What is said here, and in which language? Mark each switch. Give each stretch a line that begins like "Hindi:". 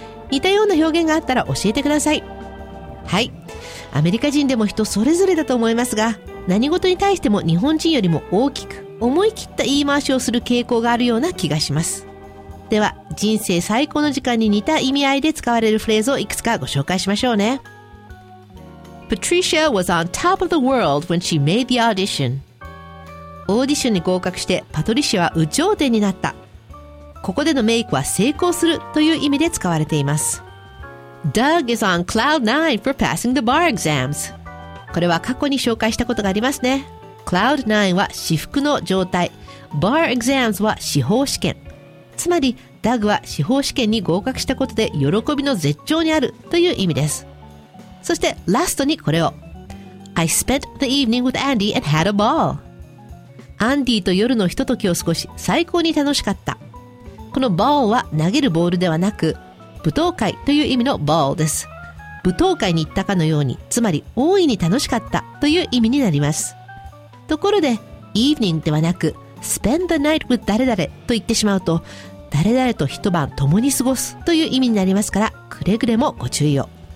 Japanese: 似たような表現があったら教えてください。はい、アメリカ人でも人それぞれだと思いますが、何事に対しても日本人よりも大きく思い切った言い回しをする傾向があるような気がします。では人生最高の時間に似た意味合いで使われるフレーズをいくつかご紹介しましょうね。
English: Patricia was on top of the world when she made the audition。
Japanese: オーディションに合格してパトリシアは有頂天になった。ここでのメイクは成功するという意味で使われています。
English: Doug is on cloud 9 for passing the bar exams.
Japanese: これは過去に紹介したことがありますね。 Cloud 9は至福の状態。Bar exams は司法試験。つまり、Doug は司法試験に合格したことで喜びの絶頂にあるという意味です。そして、ラストにこれを。
English: I spent the evening with Andy and had a ball.
Japanese: アンディと夜のひとときを過ごし、最高に楽しかった。この ball は投げるボールではなく、舞踏会という意味の ball です。舞踏会に行ったかのように、つまり大いに楽しかったという意味になります。ところで evening ではなく spend the night with 誰々と言ってしまうと、誰々と一晩共に過ごすという意味になりますから、くれぐれもご注意を。